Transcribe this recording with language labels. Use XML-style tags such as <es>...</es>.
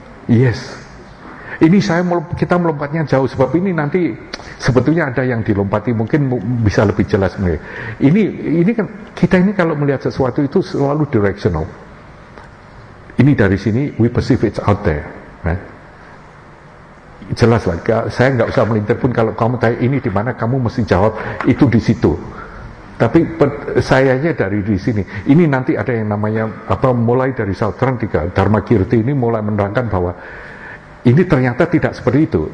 <id>Yes. Ini kita melompatnya jauh sebab ini nanti sebetulnya ada yang dilompati mungkin bisa lebih jelas nih. Ini kan kita ini kalau melihat sesuatu itu selalu directional. Ini dari sini</id> <en>we perceive it's out there. Right?</en> <id>Jelas lah, saya nggak usah melintir pun kalau kamu tanya ini di mana, kamu mesti jawab itu di situ. Tapi sayanya dari di sini. Ini nanti ada yang namanya apa? Mulai dari Sautran Tiga Dharma Kirti ini mulai menerangkan bahwa ini ternyata tidak seperti itu.</id>